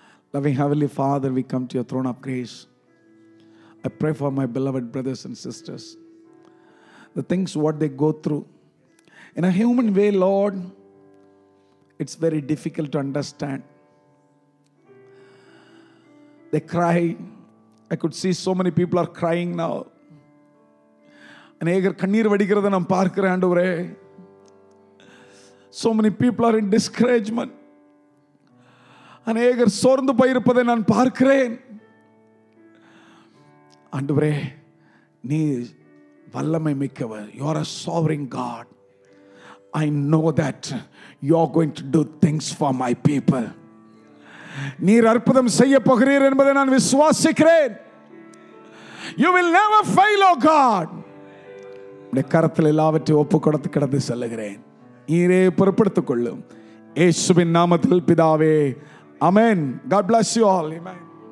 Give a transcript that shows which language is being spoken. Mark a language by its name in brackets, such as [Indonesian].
[English] Loving Heavenly Father, we come to your throne of grace. I pray for my beloved brothers and sisters. The things what they go through. In a human way, Lord, it's very difficult to understand. They cry. I could see so many people are crying now. [Tamil] அநேகர் கண்ணீர் வடிக்கிறதை நான் பார்க்கிறேன் ஆண்டவரே. [English] So many people are in discouragement. [Tamil] அநேகர் சோர்ந்து போயிருப்பதை நான் பார்க்கிறேன் ஆண்டவரே. நீ வல்லமை மிக்கவர். [English] You are a sovereign God. I know that you are going to do things for my people. [Tamil] நீர் அற்புதம் செய்ய போகிறீர் என்பதை நான் விசுவாசிக்கிறேன். [English] You will never fail, oh God. [Tamil] கரத்தில் எல்லாவற்றையும் ஒப்பு கொடுத்து கிடந்து செல்லுகிறேன். நீரே புறப்படுத்திக் கொள்ளும். இயேசுவின் நாமத்தில் பிதாவே, அமேன். [English] God bless you all. Amen.